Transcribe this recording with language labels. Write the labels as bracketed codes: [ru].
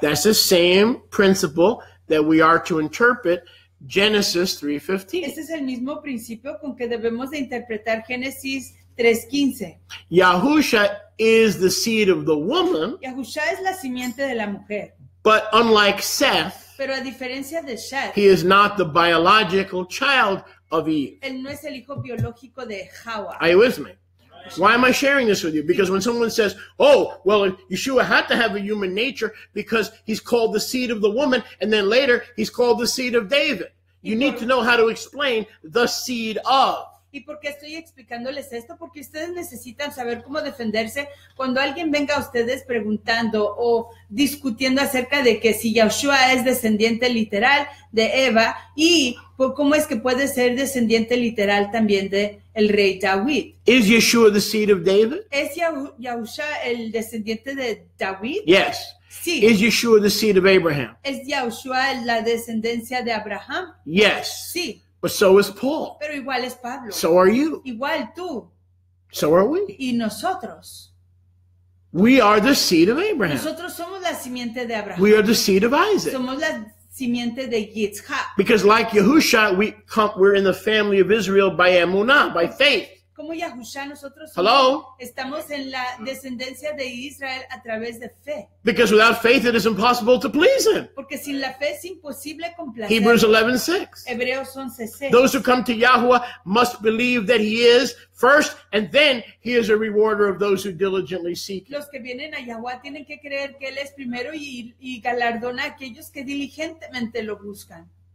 [en] That's the same principle that we are to interpret Genesis 3:15. [es] Este es el mismo principio con que debemos de interpretar Génesis 3:15. [en] Yahusha is the seed of the woman. [es] Yahusha es la simiente de la mujer. [en] But unlike Seth, [es] pero a diferencia de Seth, [en] he is not the biological child of Eve. [es] Él no es el hijo biológico de Hawa. [en] Are you with me? Why am I sharing this with you? Because when someone says, oh, well, Yeshua had to have a human nature because he's called the seed of the woman, and then later he's called the seed of David. You need to know how to explain the seed of. [es] ¿Y por qué estoy explicándoles esto? Porque ustedes necesitan saber cómo defenderse cuando alguien venga a ustedes preguntando o discutiendo acerca de que si Yahushua es descendiente literal de Eva y por cómo es que puede ser descendiente literal también de el rey David. [en] Is Yeshua the seed of David? [es] ¿Es Yahushua el descendiente de David? [en] Yes. [es] Sí. [en] Is Yeshua the seed of Abraham? [es] ¿Es Yahushua la descendencia de Abraham? [en] Yes. [es] Sí. [en] But so is Paul. [es] Pero igual es Pablo. [en] So are you. [es] Igual tú. [en] So are we. [es] Y nosotros. [en] We are the seed of Abraham. [es] Nosotros somos la simiente de Abraham. [en] We are the seed of Isaac. [es] Somos la simiente de Yitzhak. [en] Because like Yahusha, we're in the family of Israel by emunah, by faith. [es] Como Yahusha, nosotros somos, [en] hello? [es] Estamos en la descendencia de Israel a través de fe. [en] Because without faith it is impossible to please him. [es] Porque sin la fe es imposible complacer. [en] Hebrews 11:6. [es] Hebreos 11:6. [en] Those who come to Yahuwah must believe that he is first, and then he is a rewarder of those who diligently seek him. [es] Los que vienen a Yahuwah tienen que creer que él es primero y galardona a aquellos que diligentemente lo buscan.